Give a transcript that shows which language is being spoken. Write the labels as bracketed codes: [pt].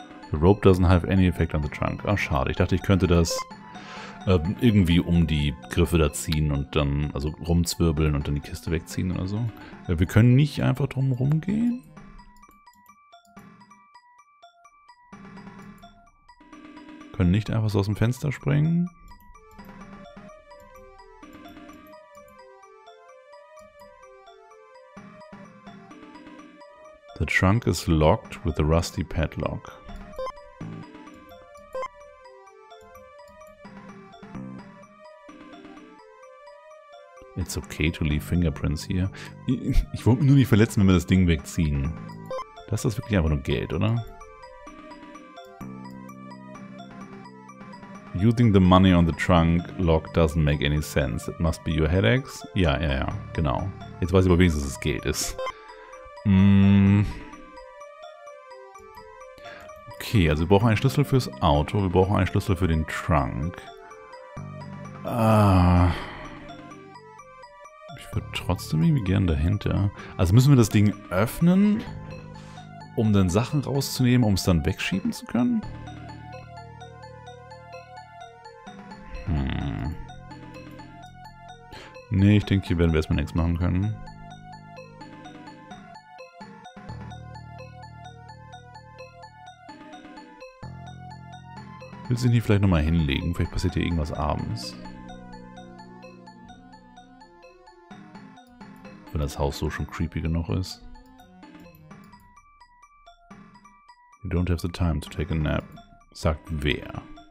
[en] The rope doesn't have any effect on the trunk. [de] Ah, schade. Ich dachte, ich könnte das irgendwie um die Griffe da ziehen und dann, also rumzwirbeln und dann die Kiste wegziehen oder so. Wir können nicht einfach drum rumgehen. Können nicht einfach so aus dem Fenster springen. [en] The trunk is locked with a rusty padlock. It's okay to leave fingerprints here. [de] Ich wollte mich nur nicht verletzen, wenn wir das Ding wegziehen. Das ist wirklich einfach nur Geld, oder? [en] Using the money on the trunk lock doesn't make any sense. It must be your headaches. [de] Ja, ja, ja, genau. Jetzt weiß ich aber wenigstens, dass es Geld ist. Okay, also wir brauchen einen Schlüssel fürs Auto. Wir brauchen einen Schlüssel für den Trunk. Ich würde trotzdem irgendwie gerne dahinter. Also müssen wir das Ding öffnen, um dann Sachen rauszunehmen, um es dann wegschieben zu können? Nee, ich denke, hier werden wir erstmal nichts machen können. Willst du ihn hier vielleicht nochmal hinlegen? Vielleicht passiert hier irgendwas abends. Wenn das Haus so schon creepy genug ist. [en] don't have the time to take a nap, [de] sagt wer.